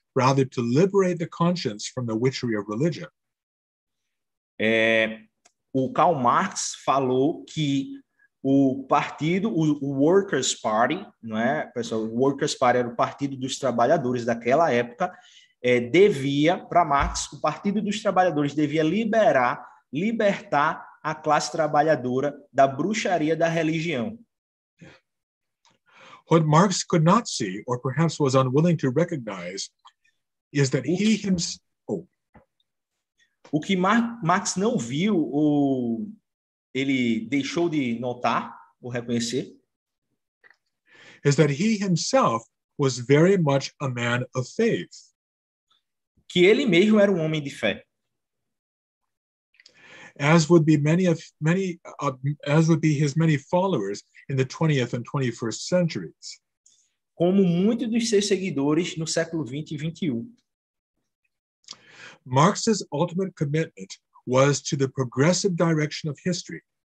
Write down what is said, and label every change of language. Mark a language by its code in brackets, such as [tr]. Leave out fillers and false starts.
[en] rather to liberate the conscience from the witchery of religion. [pt] É, o Karl Marx falou que o partido, o Workers' Party, não é, pessoal? O Workers' Party era o partido dos trabalhadores daquela época. É, devia, para Marx, o Partido dos Trabalhadores devia libertar a classe trabalhadora da bruxaria da religião. [en] What Marx could not see, or perhaps was unwilling to recognize, is that he himself... Oh. [pt] O que Marx não viu, ou ele deixou de notar, ou reconhecer, [en] is that he himself was very much a man of faith. [pt] Que ele mesmo era um homem de fé. [en] As would be his many followers in the 20th and 21st centuries. [pt] Como muitos dos seus seguidores no século 20 e 21. [en] Marx's ultimate commitment was to the progressive direction of history.